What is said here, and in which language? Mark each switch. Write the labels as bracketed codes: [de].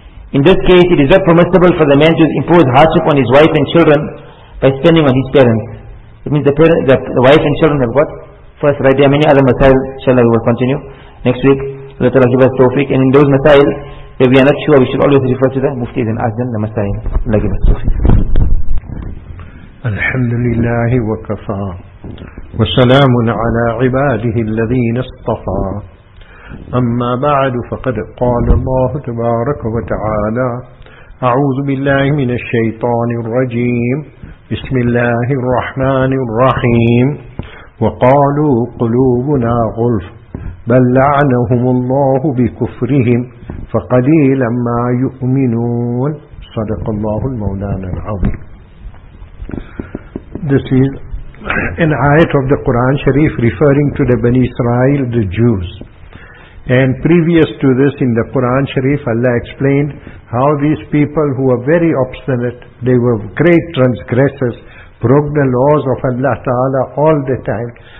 [en] In this case, it is not permissible for the man to impose hardship on his wife and children by spending on his parents. It means the wife and children have got first right. There are many other masail, inshallah, we will continue next week. Let Allah give us tawfiq. And in those masail, if we are not sure, we should always refer to the muftis and ask them the masail. Allah give us tawfiq. [ar] الحمد لله وكفى وسلام على عباده الذين اصطفى أما بعد فقد قال الله تبارك وتعالى أعوذ بالله من الشيطان الرجيم بسم الله الرحمن الرحيم وقالوا قلوبنا غلف بل لعنهم الله بكفرهم فقليلا ما يؤمنون صدق الله المولانا العظيم. [en] This is an ayat of the Quran Sharif referring to the Bani Israel, the Jews. And previous to this in the Quran Sharif, Allah explained how these people who were very obstinate, they were great transgressors, broke the laws of Allah Ta'ala all the time.